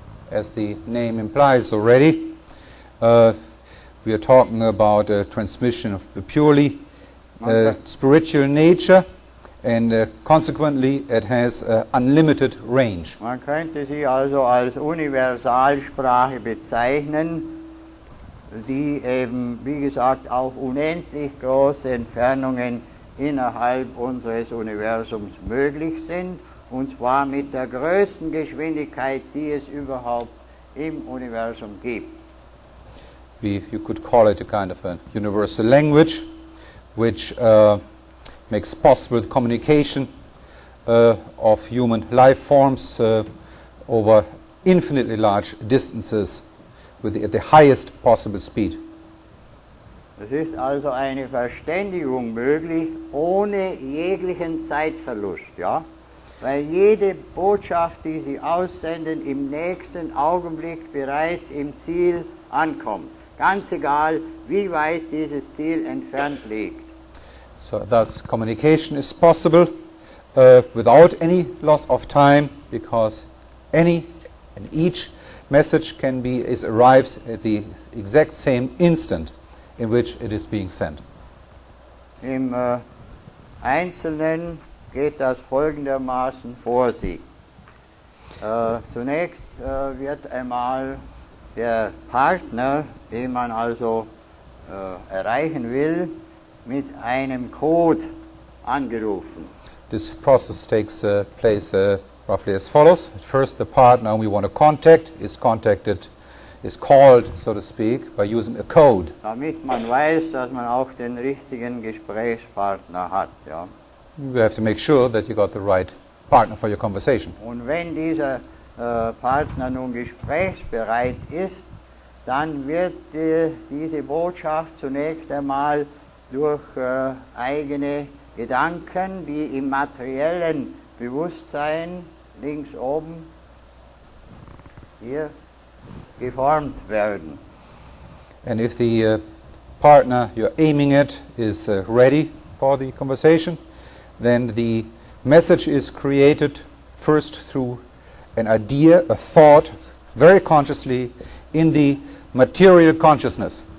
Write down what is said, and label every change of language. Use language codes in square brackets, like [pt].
[en] As the name implies already, we are talking about a transmission of purely spiritual nature and consequently it has unlimited range. [de] Man könnte sie also als Universalsprache bezeichnen, die eben, wie gesagt, auch unendlich große Entfernungen innerhalb unseres Universums möglich sind, und zwar mit der größten Geschwindigkeit, die es überhaupt im Universum gibt. [en] You could call it a kind of a universal language, which makes possible the communication of human life forms over infinitely large distances with at the highest possible speed. [de] Es ist also eine Verständigung möglich ohne jeglichen Zeitverlust, ja? Weil jede Botschaft, die Sie aussenden, im nächsten Augenblick bereits im Ziel ankommt. Ganz egal, wie weit dieses Ziel entfernt liegt. [en] So thus communication is possible without any loss of time, because any and each message arrives at the exact same instant in which it is being sent. [de] Im Einzelnen geht das folgendermaßen vor sich. Zunächst wird einmal der Partner, den man also erreichen will, mit einem Code angerufen. [en] This process takes place roughly as follows. At first, the partner we want to contact is called, so to speak, by using a code. [de] Damit man weiß, dass man auch den richtigen Gesprächspartner hat, ja. [en] You have to make sure that you got the right partner for your conversation. [de] Und wenn dieser Partner nun gesprächsbereit ist, dann wird diese Botschaft zunächst einmal durch eigene Gedanken, die im materiellen Bewusstsein links oben hier geformt werden. [en] And if the partner you're aiming at is ready for the conversation, then the message is created first through an idea, a thought, very consciously in the material consciousness.